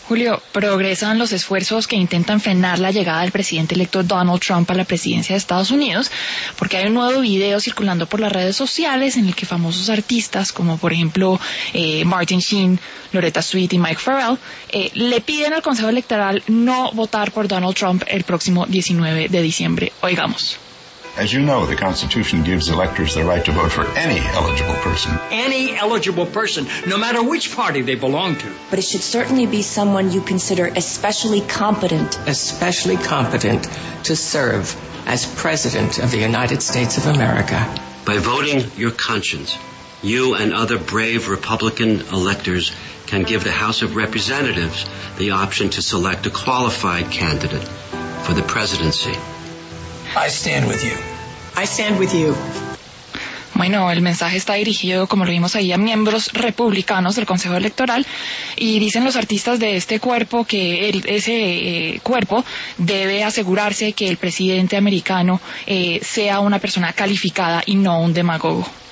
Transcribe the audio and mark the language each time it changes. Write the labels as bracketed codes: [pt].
[es] Julio, progresan los esfuerzos que intentan frenar la llegada del presidente electo Donald Trump a la presidencia de Estados Unidos, porque hay un nuevo video circulando por las redes sociales en el que famosos artistas, como por ejemplo Martin Sheen, Loretta Swit y Mike Farrell, le piden al Consejo Electoral no votar por Donald Trump el próximo 19 de diciembre. Oigamos. [en] As you know, the Constitution gives electors the right to vote for any eligible person. Any eligible person, no matter which party they belong to. But it should certainly be someone you consider especially competent. Especially competent to serve as President of the United States of America. By voting your conscience, you and other brave Republican electors can give the House of Representatives the option to select a qualified candidate for the presidency. I stand with you. I stand with you. [es] Bueno, el mensaje está dirigido, como lo vimos ahí, a miembros republicanos del Consejo Electoral, y dicen los artistas de este cuerpo que ese cuerpo debe asegurarse que el presidente americano sea una persona calificada y no un demagogo.